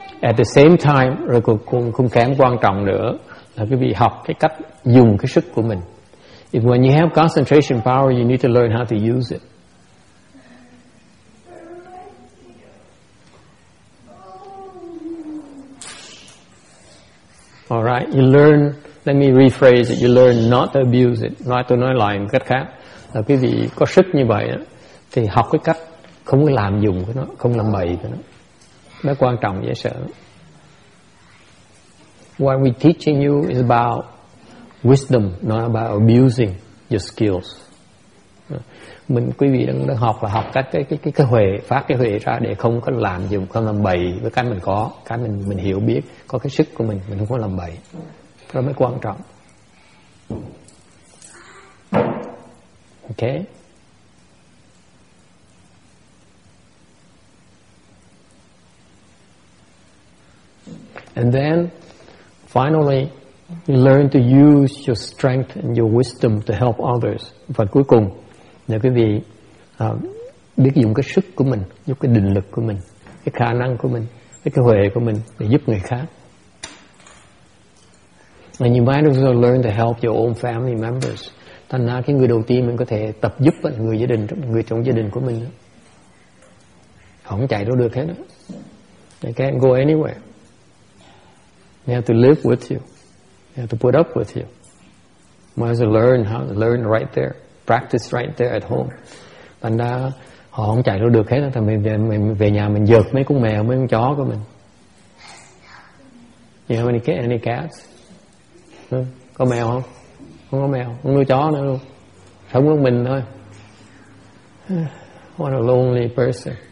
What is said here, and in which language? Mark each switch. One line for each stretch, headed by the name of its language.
English: At the same time,
Vietnamese: rồi cũng kém quan trọng nữa là quý vị học cái cách dùng cái sức của mình.
English: If when you have concentration power, you need to learn how to use it. All right, you learn, let me rephrase it, you learn not to abuse it.
Vietnamese: Nói tôi nói lại một cách khác là quý vị có sức như vậy thì học cái cách không có làm dùng của nó, không làm bậy của nó. Nó quan trọng dễ sợ.
English: What we're teaching you is about wisdom, not about abusing your skills.
Vietnamese: Mình quý vị đang học là học cái huệ, phát cái huệ ra để không có làm dùng, không làm bậy với cái mình có, cái mình hiểu biết, có cái sức của mình không có làm bậy. Đó mới quan trọng.
English: Okay. And then, finally, you learn to use your strength and your wisdom to help others.
Vietnamese: Và cuối cùng, là quý vị biết dùng cái sức của mình, giúp cái định lực của mình, cái khả năng của mình, cái huệ của mình để giúp người khác.
English: And you might also learn to help your own family members.
Vietnamese: Thành ra cái người đầu tiên mình có thể tập giúp người gia đình, người trong gia đình của mình. Không chạy đâu được hết.
English: They can't go anywhere. They have to live with you. They have to put up with you. Might as well learn how to learn right there. Practice right there at home.
Vietnamese: Thành ra họ không chạy đâu được hết. Thì mình về nhà mình dợt mấy con mèo, mấy con chó của mình.
English: You have any cats?
Vietnamese: Có mèo không? Không có mèo. Không nuôi chó nữa luôn. Sống với mình thôi.
English: What a lonely person.